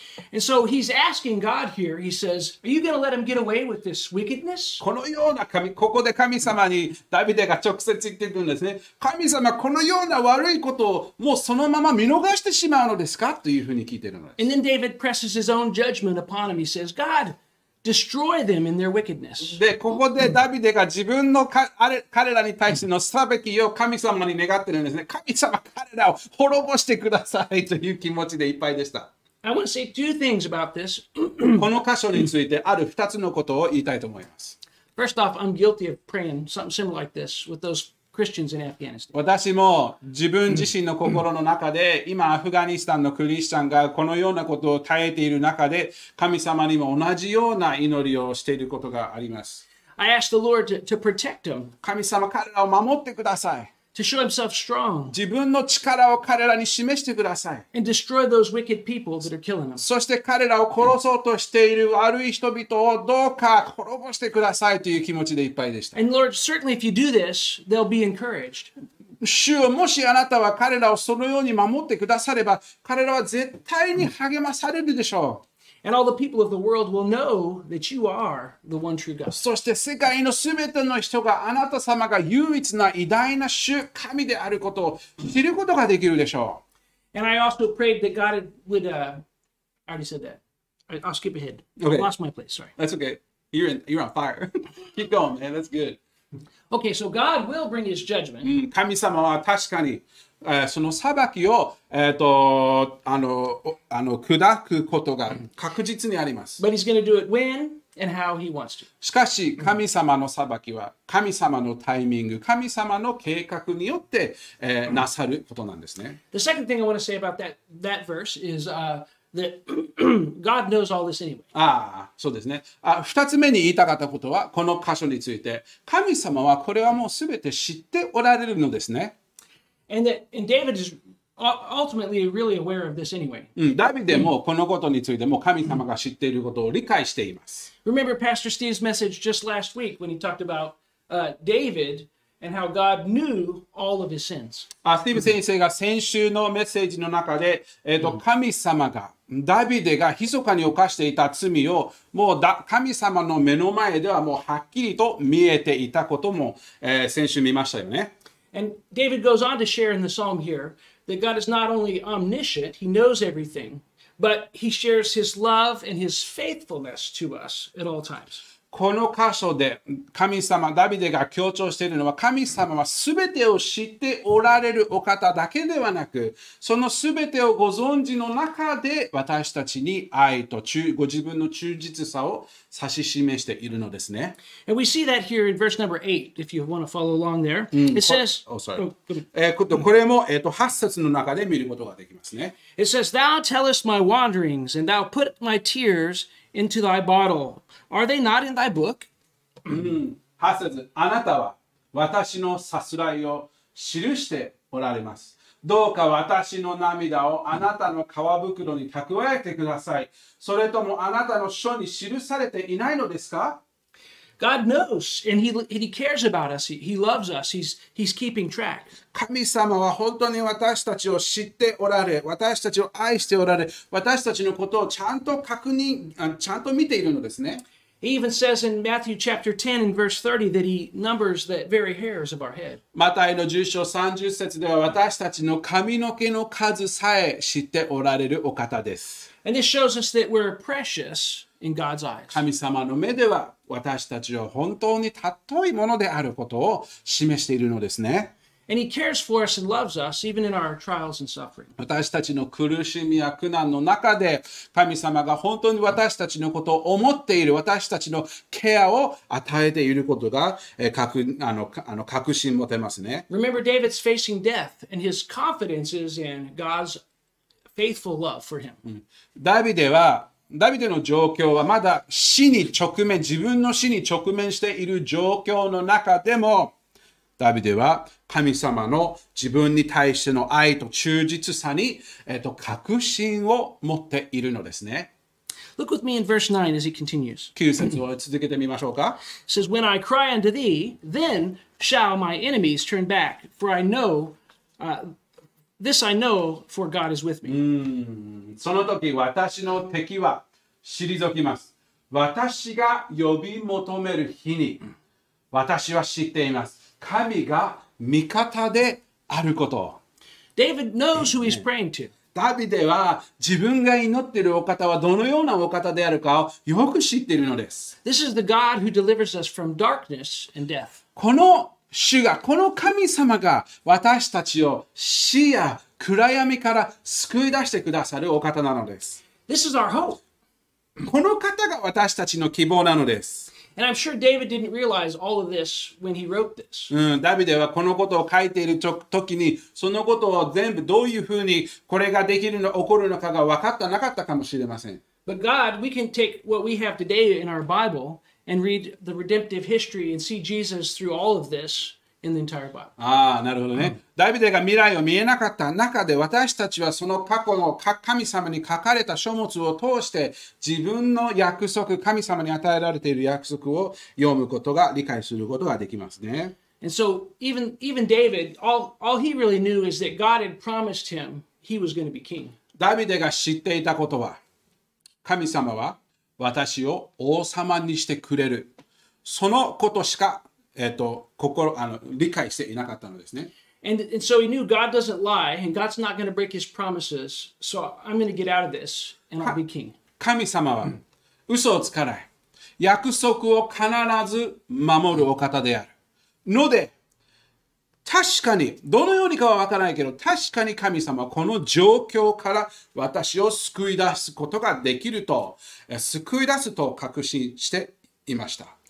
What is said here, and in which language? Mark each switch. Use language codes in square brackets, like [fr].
[en] And so he's asking God here, he says, are you going to let him get away with this wickedness? [ja] このような神、ここで神様にダビデが直接言ってるんですね。神様、このような悪いことをもうそのまま見逃してしまうのですか? というふうに聞いてるのです。 [en] And then David presses his own judgment upon him. He says, God, destroy them in their wickedness. [ja] で、ここでダビデが自分のか彼らに対しての裁きを神様に願ってるんですね。神様、彼らを滅ぼしてくださいという気持ちでいっぱいでした。 [en] I want to say two things about this. [ja] この箇所についてある二つのことを言いたいと思います。 [en] First off, I'm guilty of praying something similar like this with those Christians in Afghanistan. [ja] 私も自分自身の心の中で今アフガニスタンのクリスチャンがこのようなことを耐えている中で神様にも同じような祈りをしていることがあります。 [en] I ask the Lord to protect them. [ja] 神様、彼らを守ってください。 [en] To show himself strong. [ja] 自分の力を彼らに示してください。 [en] And destroy those wicked people that are killing them. [ja] そして彼らを殺そうとしている悪い人々をどうか滅ぼしてくださいという気持ちでいっぱいでした。 [en] And Lord, certainly if you do this, they'll be encouraged. [ja] 主よ、もしあなたは彼らをそのように守ってくだされば、彼らは絶対に励まされるでしょう。 [en] And all the people of the world will know that you are the one true God. [ja] そして世界のすべての人があなた様が唯一な偉大な主神であることを知ることができるでしょう。 [en] And I also prayed that God would, I already said that. I'll skip ahead. Okay. I lost my place, sorry. That's okay. You're on fire. Keep going, man. That's good. Okay, so God will bring his judgment. [ja] 神様は確かにその裁きを、砕くことが確実にあります。 [en] But he's going to do it when and how he wants to. [ja] しかし、神様の裁きは、神様のタイミング、神様の計画によって、なさることなんですね。 [en] The second thing I want to say about that verse is, that God knows all this anyway. [ja] ああ、そうですね。二つ目に言いたかったことは、この箇所について、神様はこれはもうすべて知っておられるのですね。 [en] And David is ultimately really aware of this anyway. [ja] ダビデもこのことについても神様が知っていることを理解しています。 [en] Remember Pastor Steve's message just last week when he talked about David and how God knew all of his sins. [ja] スティーブ先生が先週のメッセージの中で、神様がダビデが密かに犯していた罪をもう神様の目の前ではもうはっきりと見えていたことも、先週見ましたよね。 [en] And David goes on to share in the psalm here that God is not only omniscient, he knows everything, but he shares his love and his faithfulness to us at all times. [ja] この箇所で神様、ダビデが強調しているのは神様は全てを知っておられるお方だけではなく、その全てをご存知の中で私たちに愛とご自分の忠実さを指し示しているのですね。 [en] And we see that here in verse number 8, if you want to follow along there. It says, [ja] これも、8節の中で見ることができますね。 [en] It says, Thou tellest my wanderings, and thou put my tears into thy bottle. Are they not in thy book? [ja] 八節、あなたは私のさすらいを記しておられます。どうか私の涙をあなたの皮袋に蓄えてください。それともあなたの書に記されていないのですか? [en] God knows and he cares about us. He loves us. He's keeping track. [ja] 神様は本当に私たちを知っておられ、私たちを愛しておられ、私たちのことをちゃんと確認、ちゃんと見ているのですね。 [en] He even says in Matthew chapter 10 and verse 30 that he numbers the very hairs of our head. [ja] マタイの10章30節では私たちの髪の毛の数さえ知っておられるお方です。 [en] And this shows us that we're precious in God's eyes. [ja] 神様の目では私たちは本当に尊いものであることを示しているのですね。 [en] And he cares for us and loves us even in our trials and suffering. [ja] 私たちの苦しみや苦難の中で神様が本当に私たちのことを思っている、私たちのケアを与えていることが確信持てますね。 [en] Remember David's facing death and his confidence is in God's faithful love for him. [ja] ダビデはダビデの状況はまだ死に直面、自分の死に直面している状況の中でも、ダビデは神様の自分に対しての愛と忠実さに、確信を持っているのですね。 [en] Look with me in verse 9 as he continues. [ja] 9節を続けてみましょうか。 [en] It says, When I cry unto thee, then shall my enemies turn back, for I know, this I know, for God is with me. [ja] その時私の敵は退きます。私が呼び求める日に、私は知っています。神が味方であること。 [en] David knows who he's praying to. [ja] ダビデは自分が祈っているお方はどのようなお方であるかをよく知っているのです。 [en] This is the God who delivers us from darkness and death. [ja] この主が、この神様が私たちを死や暗闇から救い出してくださるお方なのです。 [en] This is our hope. [ja] この方が私たちの希望なのです。 [en] And I'm sure David didn't realize all of this when he wrote this. [ja] ダビデはこのことを書いている時に、そのことを全部どういうふうにこれができるの、起こるのかが分かったなかったかもしれません。 [en] But God, we can take what we have today in our Bible and read the redemptive history and see Jesus through all of this in the entire Bible. [ja] ああ、なるほどね。ダビデが未来を見えなかった中で、私たちはその過去の神様に書かれた書物を通して自分の約束、神様に与えられている約束を読むことが、理解することができますね。 [en] And so even David, all he really knew is that God had promised him he was going to be king. [ja] ダビデが知っていたことは、神様は私を王様にしてくれる、そのことしか理解していなかったのですね。 [en] And so he knew God doesn't lie and God's not going to break his promises. So I'm going to get out of this and I'll be king. [ja] 神様は嘘をつかない。約束を必ず守るお方である。ので、確かに、どのようにかはわからないけど、確かに神様はこの状況から私を救い出すことができると、救い出すと確信していました。